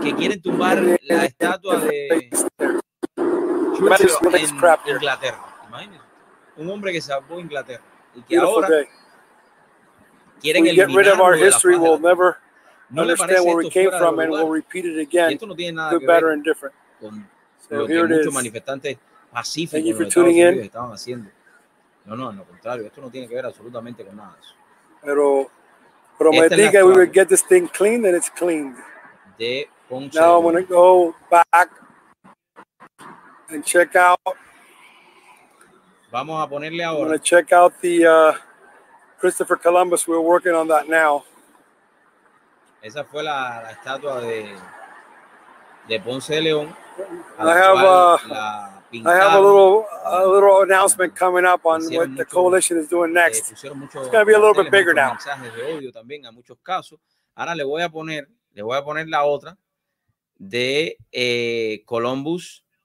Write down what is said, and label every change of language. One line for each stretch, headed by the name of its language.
Spanish: que quieren tumbar la estatua de Inglaterra. Un hombre que salvó Inglaterra y que ahora quieren eliminar de la faz de la tierra. No le parece esto fuera de lugar.
English: We'll repeat it again.
Spanish: Esto no tiene nada que ver con lo que muchos manifestantes pacíficos en los Estados Unidos estaban haciendo. No, al contrario, esto no tiene que ver absolutamente con nada. Pero prometí que
English: we would get this thing cleaned and it's cleaned.
Spanish: De Ponce.
English: Now I'm gonna go back and check out.
Spanish: Vamos a ponerle ahora.
English: I'm gonna check out the Christopher Columbus. We're working on that now.
Spanish: Esa fue la estatua de Ponce de León.
English: I have a little announcement coming up on what the coalition is doing next. It's gonna be a little bit bigger now.
Spanish: Mensajes de odio también a muchos casos. Ahora le voy a poner la otra de Columbus.